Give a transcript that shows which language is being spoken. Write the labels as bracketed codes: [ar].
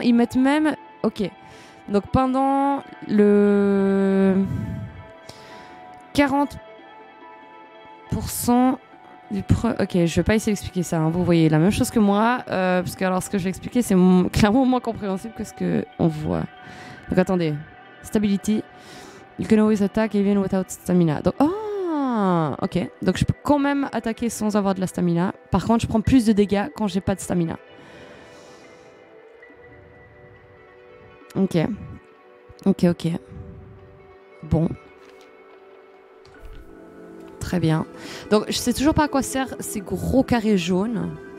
[fr] Ils mettent même... Ok. Donc pendant le... 40% du... Ok, je vais pas essayer d'expliquer ça. Hein. Vous voyez la même chose que moi. Parce que alors, ce que je vais expliquer, c'est clairement moins compréhensible que ce qu'on voit. Donc attendez. Stability. [en] You can always attack even without stamina. [fr] Donc, oh, ok. Donc je peux quand même attaquer sans avoir de la stamina. Par contre, je prends plus de dégâts quand j'ai pas de stamina. Ok. Bon. Très bien. Donc, je sais toujours pas à quoi sert ces gros carrés jaunes.